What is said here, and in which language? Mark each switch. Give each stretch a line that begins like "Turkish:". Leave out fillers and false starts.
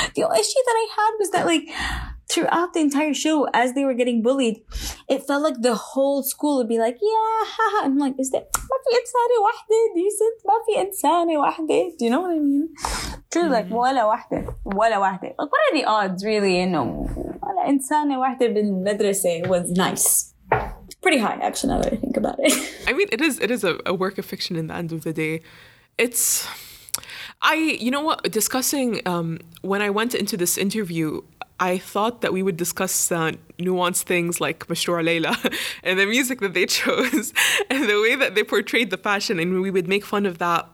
English: The only issue that I had was that, like, throughout the entire show, as they were getting bullied, it felt like the whole school would be like, yeah, haha. I'm like, is there
Arabic: ما في إنسانة واحدة
English: decent?
Arabic: ما في إنسانة واحدة?
English: Do you know what I mean? True, like,
Arabic: ولا واحدة. ولا واحدة.
English: Like, what are the odds, really, you know?
Arabic: ولا إنسانة واحدة بالمدرسة
English: was nice. Pretty high, actually, now that I think about it. I mean, it is a work of fiction in the end of the day. It's... you know what? Discussing... when I went into this interview... I thought that we would discuss nuanced things like Mashroa Layla and the music that they chose and the way that they portrayed the fashion, and we would make fun of that.